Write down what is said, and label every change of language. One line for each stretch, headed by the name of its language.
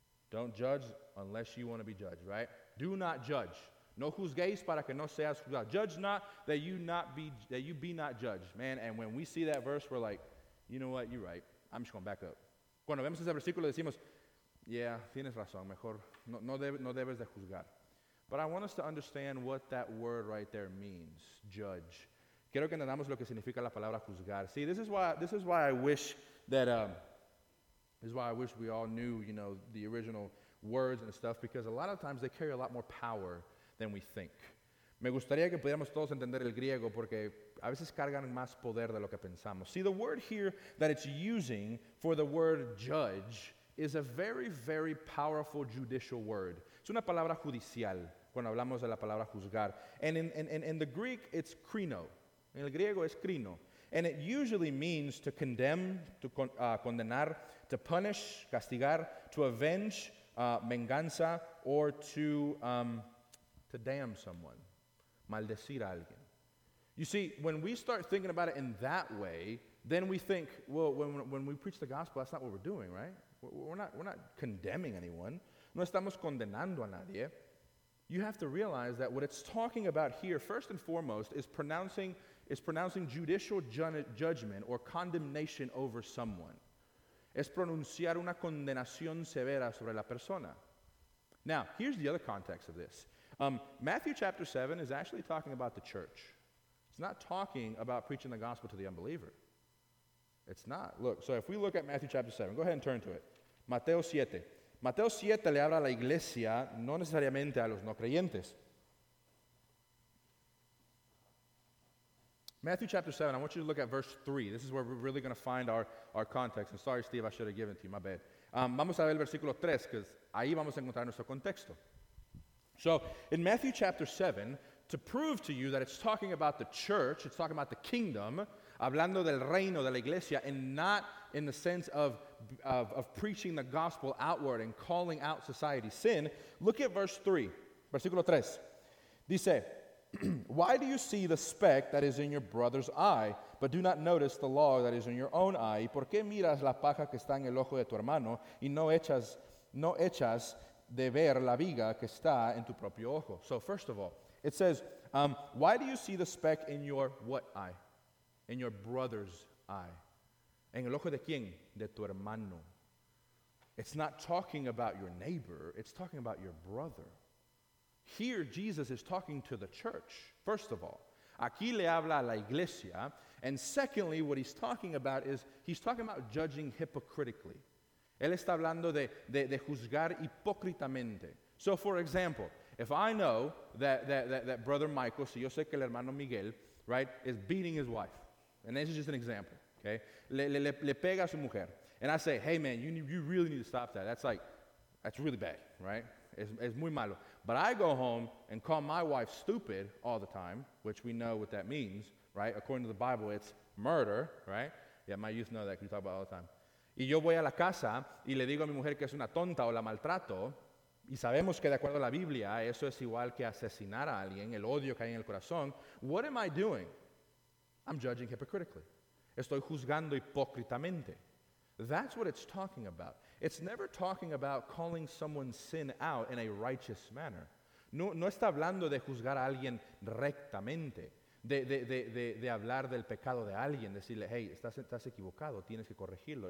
English: Don't judge unless you want to be judged, right? Do not judge.
Spanish: No juzguéis para que no seas juzgado.
English: Judge not that you not be that you be not judged. Man, and when we see that verse, we're like, you know what? You're right. I'm just going back up.
Spanish: Cuando vemos ese versículo, decimos, yeah, tienes razón. Mejor no debes de juzgar.
English: But I want us to understand what that word right there means, judge.
Spanish: Quiero que entendamos lo que significa la palabra juzgar.
English: See, this is why I wish that... This is why I wish we all knew, you know, the original words and stuff, because a lot of times they carry a lot more power than we think.
Spanish: Me gustaría que pudiéramos todos entender el griego porque a veces cargan más poder de lo que pensamos.
English: See, the word here that it's using for the word judge is a very, very powerful judicial word.
Spanish: Es una palabra judicial cuando hablamos de la palabra juzgar.
English: And in the Greek, it's krino.
Spanish: En el griego es krino.
English: And it usually means to condemn, to condenar, to punish, castigar, to avenge, venganza, or to damn someone,
Spanish: maldecir a alguien.
English: You see, when we start thinking about it in that way, then we think, well, when we preach the gospel, that's not what we're doing, right? We're not condemning anyone.
Spanish: No estamos condenando a nadie.
English: You have to realize that what it's talking about here, first and foremost, is pronouncing judicial judgment or condemnation over someone.
Spanish: Es pronunciar una condenación severa sobre la persona.
English: Now, here's the other context of this. Matthew chapter 7 is actually talking about the church. It's not talking about preaching the gospel to the unbeliever. It's not. Look, so if we look at Matthew chapter 7, go ahead and turn to it. Mateo 7.
Spanish: Mateo 7 le habla a la iglesia, no necesariamente a los no creyentes.
English: Matthew chapter 7, I want you to look at verse 3. This is where we're really going to find our context. And sorry, Steve, I should have given it to you. My bad.
Spanish: Vamos a ver el versículo 3,
English: because
Spanish: ahí vamos a encontrar nuestro contexto.
English: So, in Matthew chapter 7, to prove to you that it's talking about the church, it's talking about the kingdom,
Spanish: hablando del reino, de la iglesia,
English: and not in the sense of preaching the gospel outward and calling out society's sin, look at verse 3, versículo 3. Dice, why do you see the speck that is in your brother's eye, but do not notice the log that is in your own eye?
Spanish: ¿Por qué miras la paja que está en el ojo de tu hermano y no echas de ver la viga que está en tu propio ojo?
English: So first of all, it says, why do you see the speck in your what eye? In your brother's eye.
Spanish: ¿En el ojo de quién? De tu hermano.
English: It's not talking about your neighbor, it's talking about your brother. Here, Jesus is talking to the church, first of all.
Spanish: Aquí le habla a la iglesia.
English: And secondly, what he's talking about is, he's talking about judging hypocritically.
Spanish: Él está hablando de juzgar hipócritamente.
English: So, for example, if I know that brother Michael,
Spanish: si yo sé que el hermano Miguel,
English: right, is beating his wife. And this is just an example, okay?
Spanish: Le pega a su mujer.
English: And I say, hey, man, you really need to stop that. That's like, that's really bad, right?
Spanish: Es muy malo.
English: But I go home and call my wife stupid all the time, which we know what that means, right? According to the Bible, it's murder, right? Yeah, my youth know that because we talk about it all the time.
Spanish: Y yo voy a la casa y le digo a mi mujer que es una tonta o la maltrato. Y sabemos que de acuerdo a la Biblia, eso es igual que asesinar a alguien, el odio que hay en el corazón.
English: What am I doing? I'm judging hypocritically.
Spanish: Estoy juzgando hipócritamente.
English: That's what it's talking about. It's never talking about calling someone's sin out in a righteous manner.
Spanish: No está hablando de juzgar a alguien rectamente, de hablar del pecado de alguien, decirle, hey, estás equivocado, tienes que corregirlo.